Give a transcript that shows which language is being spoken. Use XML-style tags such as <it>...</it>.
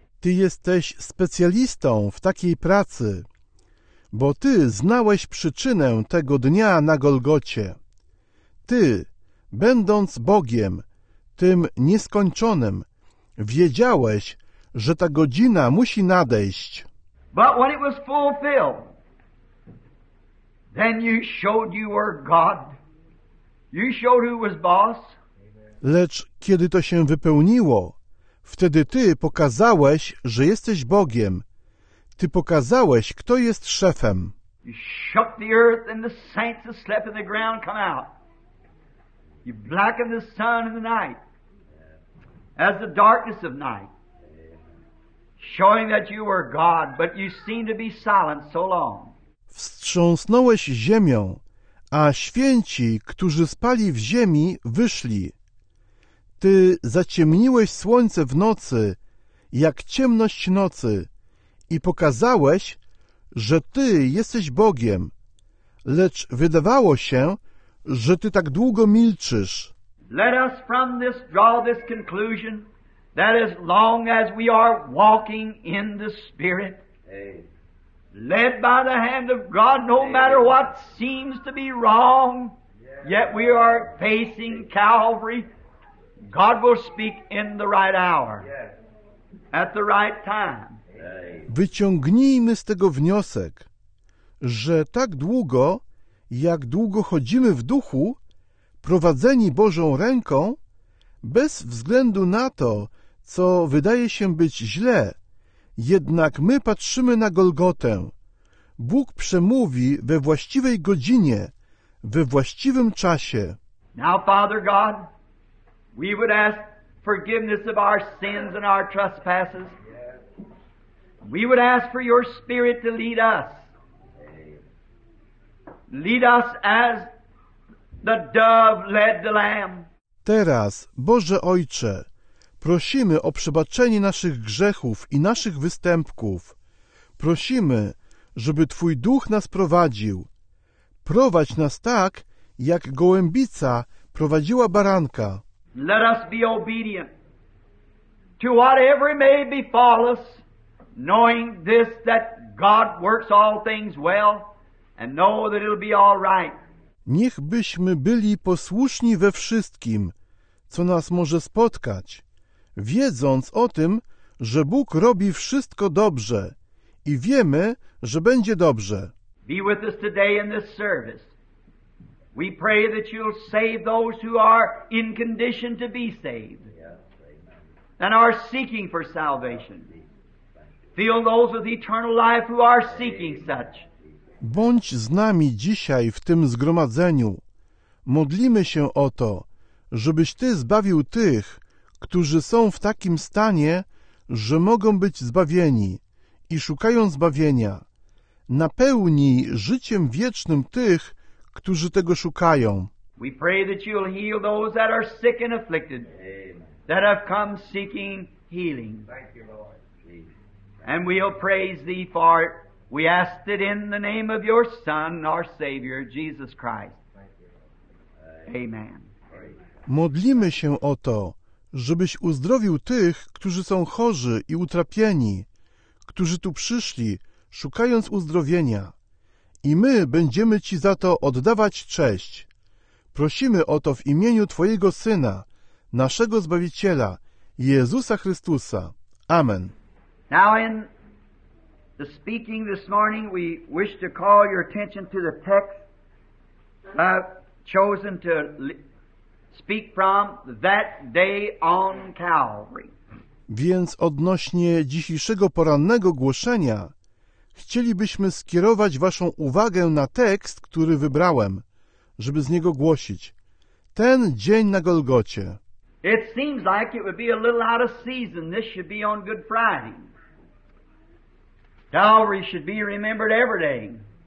<pl>Ty jesteś specjalistą w takiej pracy, bo ty znałeś przyczynę tego dnia na Golgocie. Ty, będąc Bogiem, tym nieskończonym, wiedziałeś, że ta godzina musi nadejść.</pl> <en>But when it was fulfilled, then you showed you were God. You showed who was boss.</en> <pl>Lecz kiedy to się wypełniło, wtedy ty pokazałeś, że jesteś Bogiem. Ty pokazałeś, kto jest szefem.</pl> <en>You shook the earth and the saints that slept in the ground come out. You blackened the sun in the night as the darkness of night, showing that you were God, but you seemed to be silent so long.</en> <pl>Wstrząsnąłeś ziemią, a święci, którzy spali w ziemi, wyszli. Ty zaciemniłeś słońce w nocy, jak ciemność nocy, i pokazałeś, że ty jesteś Bogiem. Lecz wydawało się, że ty tak długo milczysz.</pl> <en>Let us from this draw this conclusion that as long as we are walking in the Spirit, led by the hand of God, no matter what seems to be wrong, yet we are facing Calvary, God will speak in the right hour, at the right time.</en> <pl>Wyciągnijmy z tego wniosek, że tak długo, jak długo chodzimy w duchu, prowadzeni Bożą ręką, bez względu na to, co wydaje się być źle, jednak my patrzymy na Golgotę. Bóg przemówi we właściwej godzinie, we właściwym czasie.</pl> <en>Now, Father God, we would ask forgiveness of our sins and our trespasses. We would ask for your Spirit to lead us. Lead us as the dove led the lamb.</en> <pl>Teraz, Boże Ojcze, prosimy o przebaczenie naszych grzechów i naszych występków. Prosimy, żeby Twój Duch nas prowadził. Prowadź nas tak, jak gołębica prowadziła baranka.</pl> <en>Let us be obedient to whatever may befall us, knowing this, that God works all things well, and know that it'll be all right.</en> <pl>Niech byśmy byli posłuszni we wszystkim, co nas może spotkać, wiedząc o tym, że Bóg robi wszystko dobrze i wiemy, że będzie dobrze.</pl> <en>Be with us today in this service. We pray that you'll save those who are in condition to be saved and are seeking for salvation. Fill those with eternal life who are seeking such.</en> <pl>Bądź z nami dzisiaj w tym zgromadzeniu. Modlimy się o to, żebyś Ty zbawił tych, którzy są w takim stanie, że mogą być zbawieni i szukają zbawienia. Napełnij życiem wiecznym tych, którzy tego szukają.</pl> <en>We pray that you'll heal those that are sick and afflicted, that have come seeking healing. Thank you, Lord. And we'll praise Thee for it. We ask it in the name of your Son, our Savior, Jesus Christ. Amen.</en> <pl>Modlimy się o to, żebyś uzdrowił tych, którzy są chorzy i utrapieni, którzy tu przyszli, szukając uzdrowienia. I my będziemy Ci za to oddawać cześć. Prosimy o to w imieniu Twojego Syna, naszego Zbawiciela, Jezusa Chrystusa. Amen.</pl> <en>Now in the speaking this morning, we wish to call your attention to the text I've chosen to speak from, that day on Calvary.</en> <pl>Więc odnośnie dzisiejszego porannego głoszenia, chcielibyśmy skierować Waszą uwagę na tekst, który wybrałem, żeby z niego głosić. Ten dzień na Golgocie.</pl> <en>It seems like it would be a little out of season. This should be on Good Friday. Calvary should be remembered every day.</en>